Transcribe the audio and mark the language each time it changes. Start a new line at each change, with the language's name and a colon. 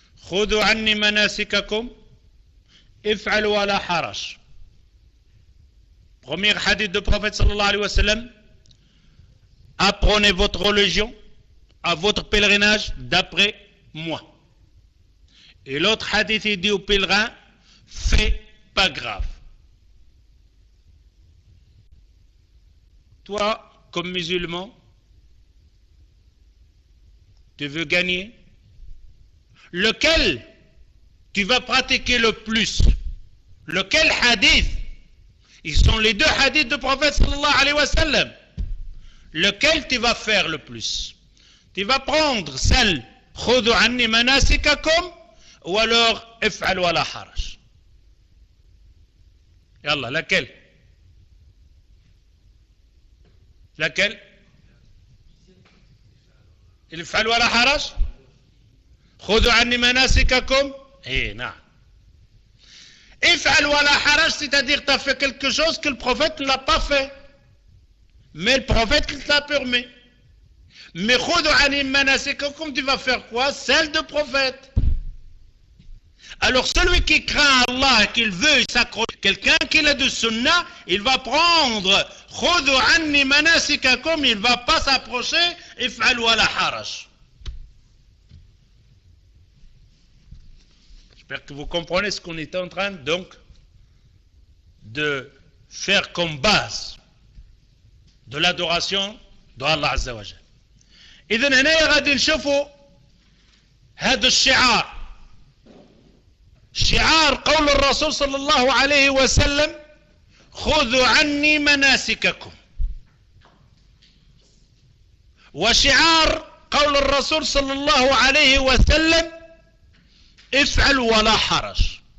Arabic: خذوا عني مناسككم افعل ولا حرج.
French: Premier hadith du prophète sallallahu alayhi wa sallam. Apprenez votre religion à votre pèlerinage d'après moi. Et l'autre hadith il dit aux pèlerins, fais pas grave. Toi, comme musulman, tu veux gagner. Lequel tu vas pratiquer le plus? Lequel hadith? Ils sont les deux hadiths du prophète sallallahu alayhi wa sallam. Lequel tu vas faire le plus? Tu vas prendre celle
Arabic: خذوا عني مناسككم
French: ou alors
Arabic: افعل ولا حرج. يلا لكل لكل افعل ولا حرج خذوا عني مناسككم. اي نعم افعل ولا حرج
French: c'est-à-dire tu as fait quelque chose que le prophète ne l'a pas fait mais le prophète l'a permis. Mais
Arabic: خذوا عني مناسككم,
French: tu vas faire quoi? Celle de prophète. Alors celui qui craint Allah et qu'il veut s'accrocher, quelqu'un qui l'a de sunna, il va prendre
Arabic: خذوا عني مناسككم,
French: il ne va pas s'approcher
Arabic: افعل ولا حرج.
French: J'espère que vous comprenez ce qu'on est en train donc de faire comme base de l'adoration d'Allah Azza wa Jalla.
Arabic: إذن هنا غادي نشوفوا هذا الشعار, شعار قول الرسول صلى الله عليه وسلم خذوا عني مناسككم, وشعار قول الرسول صلى الله عليه وسلم افعل ولا حرج.